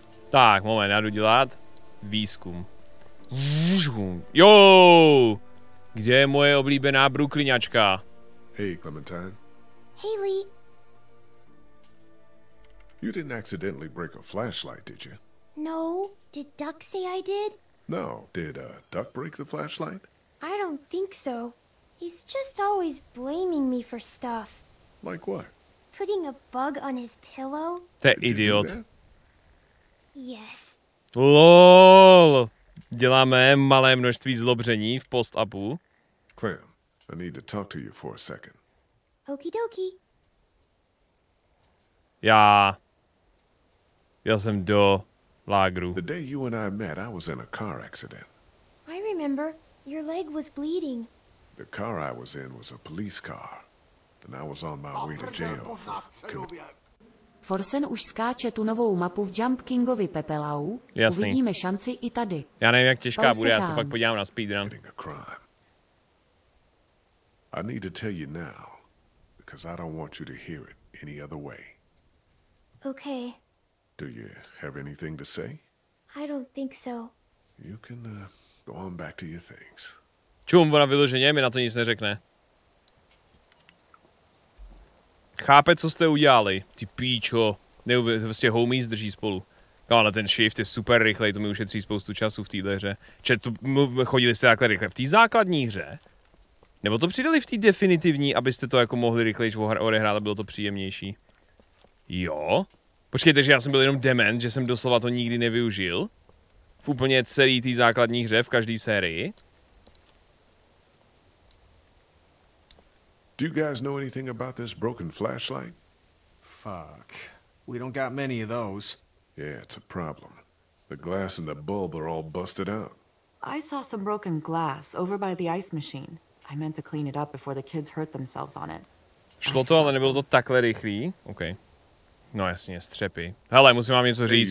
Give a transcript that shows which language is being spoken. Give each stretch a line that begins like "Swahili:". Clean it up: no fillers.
Czech: Tak, moment, já jdu dělat výzkum. Jo! Kde je moje oblíbená brooklyňačka?
English: Hey, Clementine. Hey, Lee. You didn't accidentally break a flashlight, did you? No. Did Duck say I did? No. Did Duck break the flashlight? I don't think so. He's just always blaming me for stuff. Like what? Putting a bug on his pillow? That idiot. That? Yes. LOL!
Czech: Děláme malé množství zlobření v post-upu.
English: Clem, I need to talk to you for a second. Okie dokie.
Czech: Jel jsem do lágru.
English: The day you and I met, I was in a car accident. I remember. Your leg was bleeding. The car I was in was a police car. And I was on my way to jail.
Czech: Forsen už skáče tu novou mapu v Jump Kingovi Pepelau. Jasný. Uvidíme šanci i tady. Já nevím, jak těžká bude, já se pak podívám na speedrun.
English: I need to tell you now. because I don't want you to hear it any other way. Okay. Do you have anything to say? I don't think so. You can go on back to your things.
Czech: Čum, ona vyloženě mi na to nic neřekne. Chápe, co jste udělali, ty píčo. Vlastně homies drží spolu. No ale ten shift je super rychlej, to mi ušetří spoustu času v téhle hře. Chodili jste takhle rychle v té základní hře? Nebo to přidali v té definitivní, abyste to jako mohli rychlejš odehrát a bylo to příjemnější? Jo? Počkejte, že já jsem byl jenom dement, že jsem doslova to nikdy nevyužil? V úplně celý té základní hře, v každé sérii?
English: Do you guys know anything about this broken flashlight? Fuck. We don't got many of those. Yeah, it's a problem. The glass and the bulb are all busted out. I saw some broken glass over by the ice machine. I meant to clean it up before the kids hurt themselves on it.
Czech: Šlo to, ale nebylo to takhle rychlý. Okay. No jasně, střepy. Hele, musím vám něco říct.